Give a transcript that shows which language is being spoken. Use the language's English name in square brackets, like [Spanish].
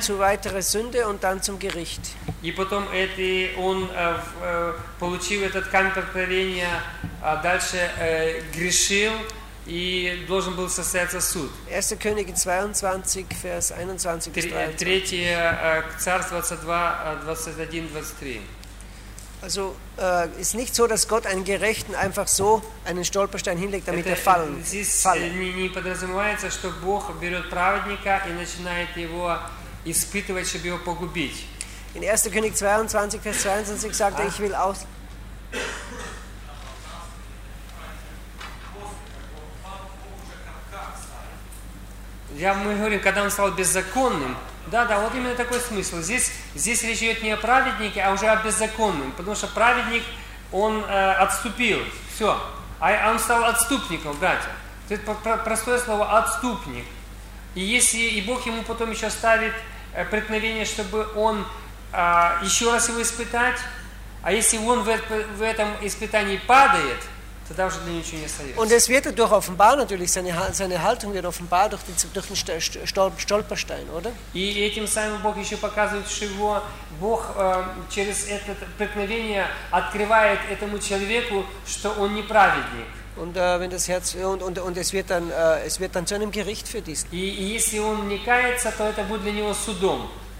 [German] Zu weiterer Sünde und dann zum Gericht. [Russian] И потом он получил этот камень преткновения, дальше грешил и должен был состояться суд. [German] 1. Könige 22, Vers 21 bis 23. [Russian] 3. Царств 22, 21, 23. [German] Also ist nicht so, dass Gott einen Gerechten einfach so einen Stolperstein hinlegt, damit er fallen falle. [Russian] Не подразумевается, что Бог берет праведника и начинает его испытывать, чтобы его погубить. [German] In 1. König 22, Vers 22 sagt er, ich will aus... Ja, [Russian] мы говорим, когда он стал беззаконным, да-да, вот именно такой смысл. Здесь речь идет не о праведнике, а уже о беззаконном. Потому что праведник, он отступил. Все. А он стал отступником, братья. Это простое слово «отступник». И если и Бог ему потом еще ставит преткновение, чтобы он еще раз его испытать, а если он в этом испытании падает, тогда уже для него ничего не остается. [German] Und es wird durch offenbar natürlich seine Haltung wird offenbar durch den Stolperstein, oder? [Russian] И этим самым Бог еще показывает, что его Бог через это преткновение открывает этому человеку, что он неправедник. [German] Und wenn das Herz und es wird dann zu einem Gericht für diesen. [Russian] И если он не кается, то это будет для него судом.